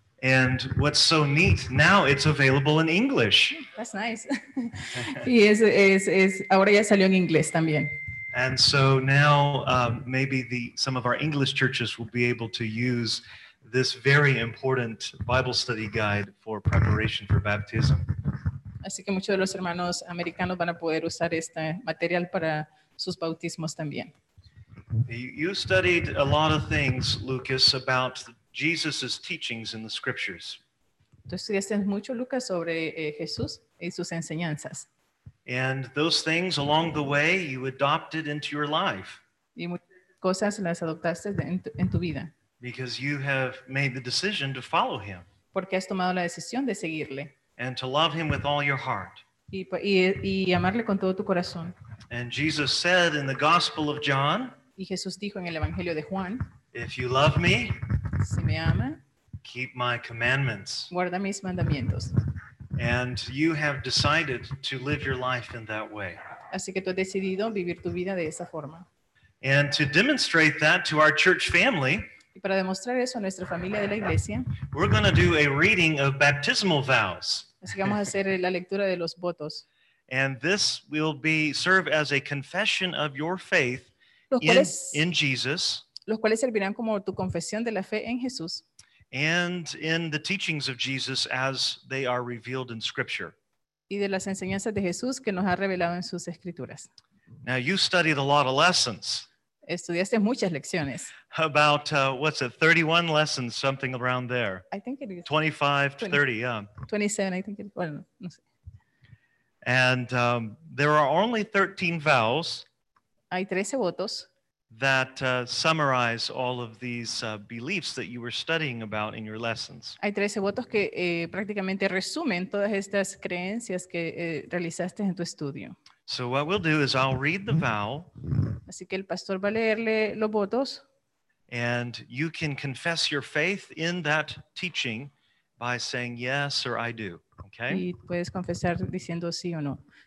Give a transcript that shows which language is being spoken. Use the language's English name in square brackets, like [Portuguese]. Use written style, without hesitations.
[English] And what's so neat, now it's available in English. That's nice. [Spanish] Y es ahora ya salió en inglés también. [English] And so now maybe some of our English churches will be able to use this very important Bible study guide for preparation for baptism. [Spanish] Así que muchos de los hermanos americanos van a poder usar este material para sus bautismos también. [English] You studied a lot of things, Lucas, about Jesus's teachings in the scriptures. [Spanish] Tú estudiaste mucho, Lucas, sobre Jesús y sus enseñanzas. [English] And those things along the way you adopted into your life. [Spanish] Y muchas cosas las adoptaste en tu vida. [English] Because you have made the decision to follow him. [Spanish] Porque has tomado la decisión de seguirle. [English] And to love him with all your heart. [Spanish] Y amarle con todo tu corazón. [English] And Jesus said in the Gospel of John, [Spanish] y Jesús dijo en el Evangelio de Juan, [English] if you love me, [Spanish] si me ama, [English] keep my commandments. [Spanish] Guarda mis mandamientos. [English] And you have decided to live your life in that way. [Spanish] Así que tú has decidido vivir tu vida de esa forma. [English] And to demonstrate that to our church family, [Spanish] y para demostrar eso a nuestra familia de la iglesia, [English] we're going to do a reading of baptismal vows. [Spanish] Así que vamos a hacer la lectura de los votos. [English] And this will be serve as a confession of your faith in Jesus. [Spanish] Los cuales servirán como tu confesión de la fe en Jesús. [English] And in the teachings of Jesus as they are revealed in Scripture. [Spanish] Y de las enseñanzas de Jesús que nos ha revelado en sus escrituras. [English] Now you studied a lot of lessons. [Spanish] Estudiaste muchas lecciones. [English] About, 31 lessons, something around there. I think it is. 25 to 30, yeah. 27, I think it is. Well, [Spanish] no sé. [English] And there are only 13 vows. [Spanish] Hay 13 votos. [English] That summarize all of these beliefs that you were studying about in your lessons. [Spanish] Hay 13 votos que prácticamente resumen todas estas creencias que realizaste en tu estudio. [English] So what we'll do is I'll read the vow. [Spanish] Así que el pastor va a leerle los votos. [English] And you can confess your faith in that teaching by saying yes or I do. Okay? [Spanish] Y puedes confesar diciendo sí o no.